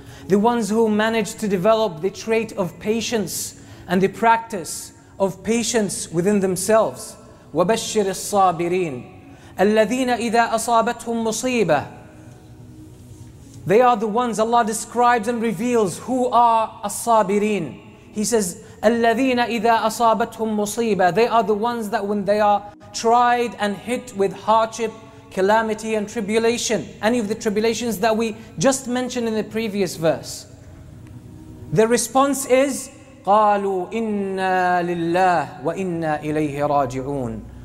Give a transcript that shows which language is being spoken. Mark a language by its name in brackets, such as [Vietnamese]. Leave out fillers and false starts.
[English] The ones who manage to develop the trait of patience and the practice of patience within themselves. [Arabic] وَبَشِّرِ الصَّابِرِينَ الَّذِينَ إِذَا أَصَابَتْهُمْ مُصِيبَةً. [English] They are the ones Allah describes and reveals who are الصَّابِرِينَ. He says, [Arabic] الَّذِينَ إِذَا أَصَابَتْهُمْ مُصِيبَةً. [English] They are the ones that when they are tried and hit with hardship, calamity and tribulation, any of the tribulations that we just mentioned in the previous verse, the response is, [Arabic] قَالُوا إِنَّا لِلَّهِ وَإِنَّا إِلَيْهِ رَاجِعُونَ.